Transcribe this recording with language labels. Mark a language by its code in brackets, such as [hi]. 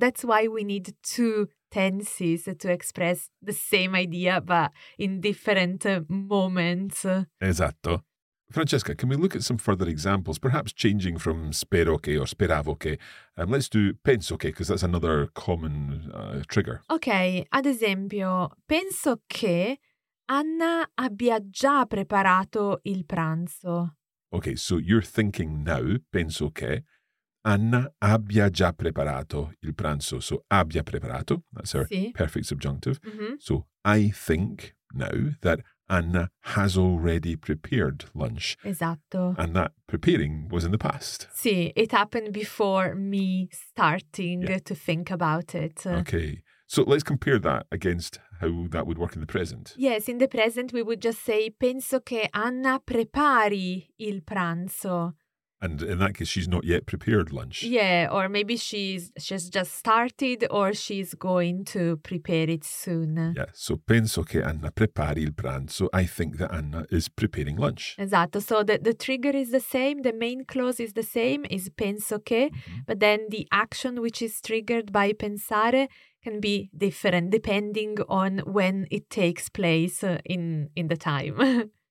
[en] That's why we need to tenses to express the same idea but in different moments. [it] Esatto. [en] Francesca, can we look at some further examples, perhaps changing from spero che or speravo che? Let's do penso che, because that's another common trigger. [it] Okay, ad esempio, penso che Anna abbia già preparato il pranzo. Okay, [en] so you're thinking now, [it] penso che Anna abbia già preparato il pranzo. [en] So, abbia preparato, that's our perfect subjunctive. Mm-hmm. So, I think now that Anna has already prepared lunch. [it] Esatto. [en] And that preparing was in the past. Sì, it happened before me starting to think about it. Okay, so let's compare that against how that would work in the present. Yes, in the present we would just say, [it] penso che Anna prepari il pranzo. [en] And in that case, she's not yet prepared lunch. Yeah, or maybe she's just started or she's going to prepare it soon. [it] Yeah, so penso che Anna prepari il pranzo. [en] I think that Anna is preparing lunch. Esatto, so the trigger is the same. The main clause is the same, is penso che. Mm-hmm. But then the action which is triggered by pensare can be different depending on when it takes place in the time.